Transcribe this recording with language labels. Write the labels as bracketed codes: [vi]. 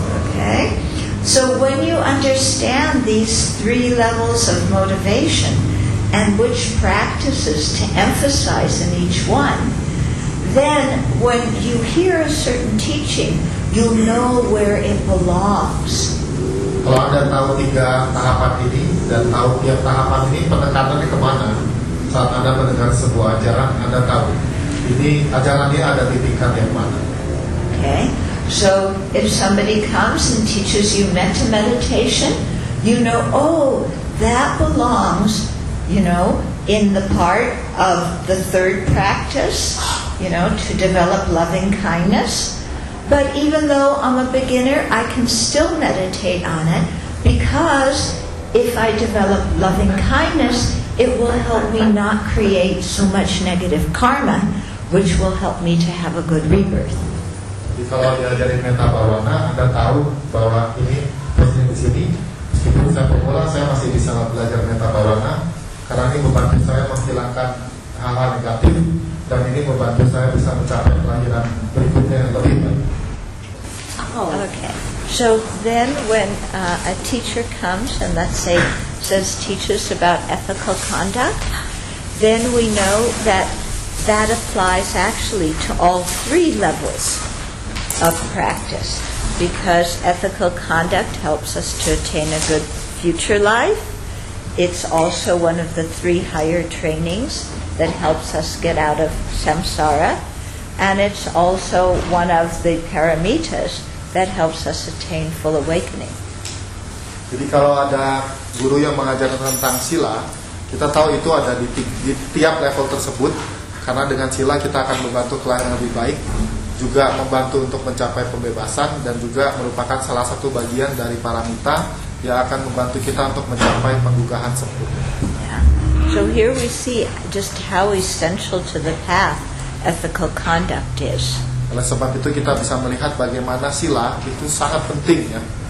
[en] Okay, so when you understand these three levels of motivation and which practices to emphasize in each one, then when you hear a certain teaching, you'll know where it belongs. [id] Kalau Anda tahu tiga tahapan ini dan tahu tiap tahapan ini pendekatannya kemana, saat Anda mendengar sebuah ajaran, Anda tahu ini ajaran ini ada di tingkat yang mana. [en] Okay. So if somebody comes and teaches you metta meditation, you know, oh, that belongs, you know, in the part of the third practice, you know, to develop loving kindness. But even though I'm a beginner, I can still meditate on it because if I develop loving kindness, it will help me not create so much negative karma, which will help me to have a good rebirth. [id] Jadi kalau diajarin metta bhavana, Anda tahu bahwa ini posisi di sini. Meskipun saya pemula, saya masih bisa belajar metta bhavana karena ini membantu saya menghilangkan hal-hal negatif dan ini membantu saya bisa mencapai kelahiran berikutnya yang lebih baik. [en] Oh, okay. So then when a teacher comes and let's say says teaches about ethical conduct, then we know that that applies actually to all three levels of practice because ethical conduct helps us to attain a good future life. It's also one of the three higher trainings that helps us get out of samsara, and it's also one of the paramitas that helps us attain full awakening. [id] Jadi kalau ada guru yang mengajarkan tentang sila, kita tahu itu ada di tiap level tersebut, karena dengan sila kita akan membantu kelahiran lebih baik, juga membantu untuk mencapai pembebasan, dan juga merupakan salah satu bagian dari paramita yang akan membantu kita untuk mencapai penggugahan sempurna. [en] So here we see just how essential to the path ethical conduct is. [id] Oleh sebab itu kita bisa melihat bagaimana sila itu sangat penting ya.